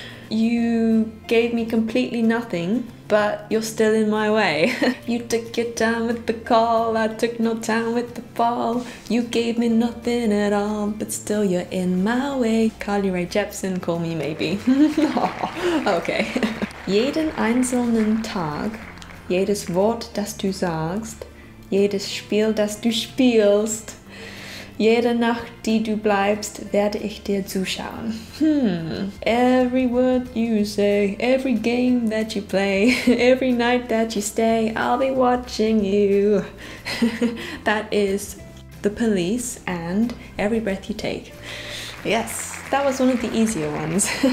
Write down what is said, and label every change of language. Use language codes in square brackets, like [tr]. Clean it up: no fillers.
[en] You gave me completely nothing, but you're still in my way. You took your time with the call, I took no time with the fall. You gave me nothing at all, but still you're in my way. Carly Rae Jepsen, Call Me Maybe. Okay. [de] Jeden einzelnen Tag, jedes Wort, das du sagst, jedes Spiel, das du spielst, Jede Nacht, die du bleibst, werde ich dir zuschauen. [en] Every word you say, every game that you play, every night that you stay, I'll be watching you. That is The Police and Every Breath You Take. Yes, that was one of the easier ones.